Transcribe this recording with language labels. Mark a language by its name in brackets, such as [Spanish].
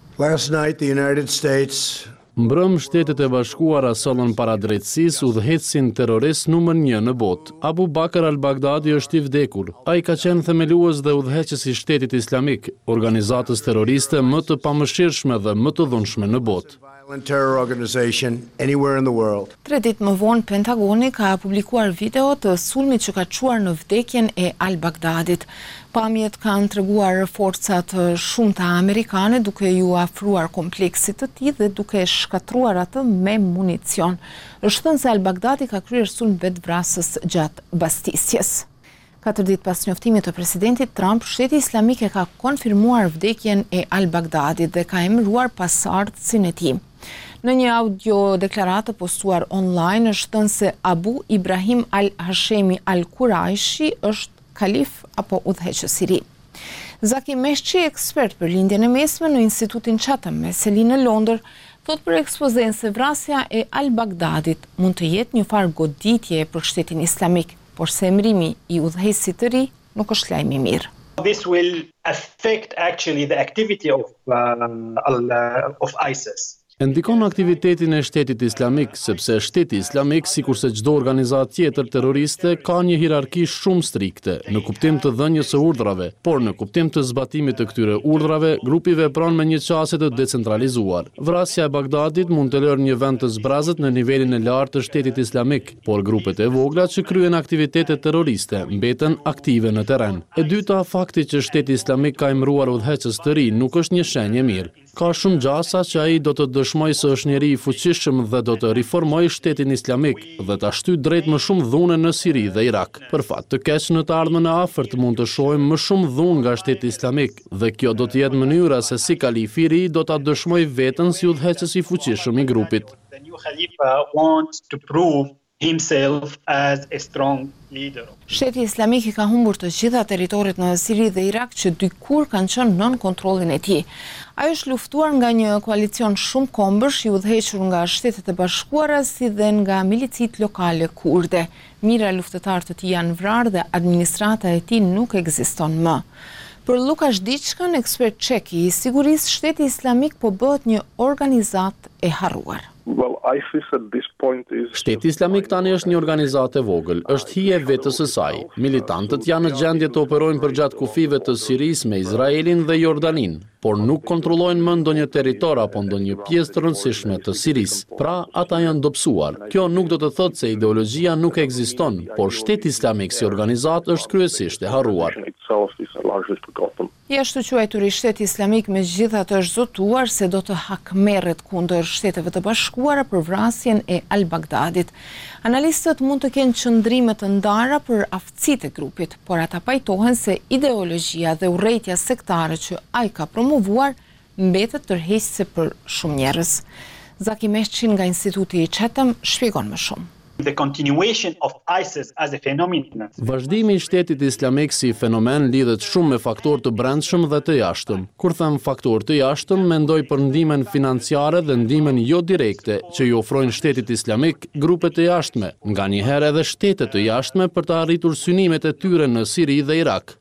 [English] Last night the United States [Albanian] mbrëm Shtetet e Bashkuara sollën para drejtësisë udhëhecin terrorist numër 1 në botë. Abu Bakr al-Baghdadi është i vdekur. Ai ka qenë themelues dhe udhëheqës i Shtetit Islamik, organizatës terroriste më të pamëshirshme dhe më të dhunshme në botë. [English] Terror organization anywhere in the world. [Albanian] Tre ditë më vonë, Pentagoni ka publikuar video të sulmit që ka çuar në vdekjen e al-Baghdadit. Pamjet kanë treguar forcat shumë të amerikane duke ju afruar kompleksit të tij dhe duke shkatruar atë me municion. Është thënë se al-Baghdadi ka kryer sulm vetvrasës gjatë bastisjes. 4 ditë pas njoftimit të presidentit Trump, Shteti Islamik e ka konfirmuar vdekjen e al-Baghdadit dhe ka emëruar pasardhësin e tij. Në një audio deklaratë postuar online, është thënë se Abu Ibrahim al-Hashemi al-Kurajshi është kalif apo udhëheqës i ri. Zaki Meshqi, ekspert për Lindjen e Mesme në Institutin Chatham me selinë në Londër, thot për ekspozen se vrasja e al-Baghdadit mund të jetë një farë goditje për Shtetin Islamik, por se emrimi i udhëhecit të ri nuk është lajm i mirë. [English] This will affect actually the activity of ISIS. [Albanian] E ndikon në aktivitetin e Shtetit Islamik, sepse Shteti Islamik, sikur se çdo organizatë tjetër terroriste, ka një hierarki shumë strikte në kuptim të dhënjes së urdhrave, por në kuptim të zbatimit të këtyre urdhrave, grupi vepron me një qasje të decentralizuar. Vrasja e Bagdadit mund të lërë një vend të zbrazët në nivelin e lartë të Shtetit Islamik, por grupet e vogla që kryen aktivitete terroriste mbeten aktive në terren. E dyta, fakti që Shteti Islamik ka emëruar udhëheqës të ri nuk është një shenjë e mirë. Ka shumë gjasa që ai do të dëshmojë se është njeri i fuqishëm dhe do të reformojë Shtetin Islamik dhe ta shtyjë drejt më shumë dhune në Siri dhe Irak. Për fat të keq, në të ardhmen e afërt mund të shohim më shumë dhunë nga Shteti Islamik dhe kjo do të jetë mënyra se si kalifi i ri do ta dëshmojë veten si udhëheqës i fuqishëm i grupit. [English] Himself as a strong leader. [Albanian] Shteti Islamik i ka humbur të gjitha territoret në Siri dhe Irak që dikur kanë qenë nën kontrollin e tij. Ai është luftuar nga një koalicion shumë kombësh i udhëhequr nga Shtetet e Bashkuara si dhe nga milicitë lokale kurde. Mira luftëtarë të tij janë vrarë dhe administrata e tij nuk ekziston më. Për Lukash Diçkën, ekspert çek i sigurisë, Shteti Islamik po bëhet një organizatë e harruar. [English] Well, ISIS at this point is [Albanian] Shteti Islamik tani është një organizatë e vogël, është hije vetës së saj. Militantët janë në gjendje të operojnë përgjatë kufive të Sirisë me Izraelin dhe Jordaninë, por nuk kontrollojnë më ndonjë territor apo ndonjë pjesë të rëndësishme të Sirisë. Pra, ata janë dobësuar. Kjo nuk do të thotë se ideologjia nuk ekziston, por Shteti Islamik si organizatë është kryesisht e harruar. [English] itself is largely forgotten. [Albanian] Jashtë quajtur i shteti islamik me gjithatë është zotuar se do të hakmerret kundër shteteve të bashkuara për vrasjen e al-Bagdadit. Analistët mund të kenë qëndrime të ndara për aftësitë e grupit, por ata pajtohen se ideologjia dhe urrejtja sektare që ai ka promovuar mbetet tërheqëse për shumë njerëz. Zaki Meshqin nga Instituti i Chatham shpjegon më shumë. [English] The continuation of ISIS as a phenomenon. [Albanian] Vazhdimi i shtetit islamik si fenomen lidhet shumë me faktor të brendshëm dhe të jashtëm. Kur them faktor të jashtëm, mendoj për ndihmën financiare dhe ndihmën jo direkte që i ofrojnë shtetit islamik grupet e jashtme, nganjëherë edhe shtetet të jashtme për të arritur synimet e tyre në Siri dhe Irak.